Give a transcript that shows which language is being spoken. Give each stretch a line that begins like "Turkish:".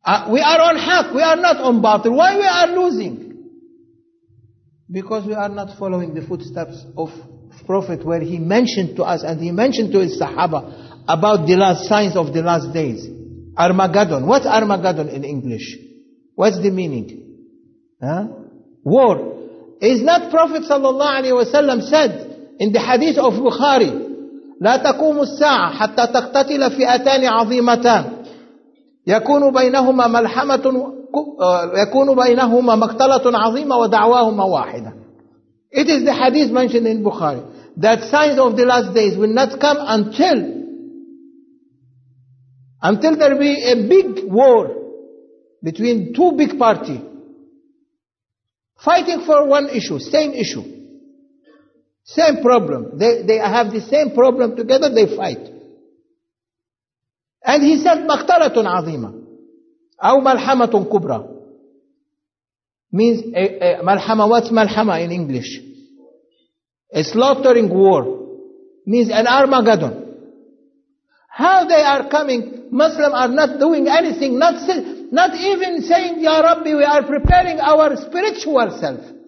English: We are on haq, we are not on batil. Why we are losing? Because we are not following the footsteps of Prophet where he mentioned to us and he mentioned to his Sahaba about the last signs of the last days. Armageddon. What's Armageddon in English? What's the meaning? Huh? War. Is not Prophet sallallahu alaihi wasallam said in the hadith of Bukhari,
Arabic: لا تقوم الساعة حتى تقتتل فئتان عظيمتان يكون بينهما ملحمة يكون بينهما مقتلة عظيمة ودعواهما واحدة.
English: It is the hadith mentioned in Bukhari that signs of the last days will not come until there be a big war between two big parties fighting for one issue, same problem. They have the same problem together, they fight. And he said,
Arabic: مَقْتَلَةٌ عَظِيمَةٌ أَوْ مَلْحَمَةٌ كُبْرَى.
English: Means, مَلْحَمَة, what's مَلْحَمَة in English? A slaughtering war. Means an Armageddon. How they are coming, Muslims are not doing anything, not even saying, Ya Rabbi, we are preparing our spiritual self.